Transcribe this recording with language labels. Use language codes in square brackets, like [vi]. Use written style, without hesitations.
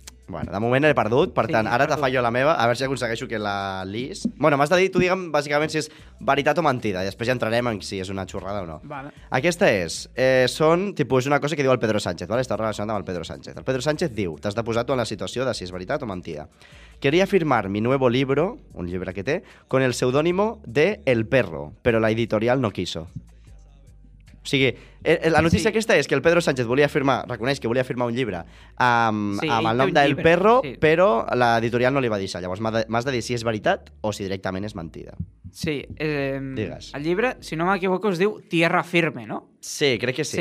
[ca] Bueno, de moment l'he perdut, per sí, tant, ara te faig jo la meva, a veure si aconsegueixo que la lis. Bueno, m'has de dir, tu digue'm, bàsicament, si és veritat o mentida, i després ja entrarem en si és una xorrada o no. Vale. Aquesta és, són, tipus, és una cosa que diu el Pedro Sánchez, vale? Està relacionada amb el Pedro Sánchez. El Pedro Sánchez diu, t'has de posar tu en la situació de si és veritat o mentida. [es] Quería firmar mi nuevo libro, [ca] un llibre que té, [es] con el pseudónimo de El Perro, pero la editorial no quiso. [ca] O sigui, la notícia sí. Aquesta és que el Pedro Sánchez volia firmar, reconeix que volia firmar un llibre amb el nom d'El Perro, sí. Però l'editorial no li va dir això. Llavors m'has de dir si és veritat o si directament és mentida. Sí. Digues. El llibre, si no m'equivoco, es diu Tierra Firme, no? Sí, crec que sí.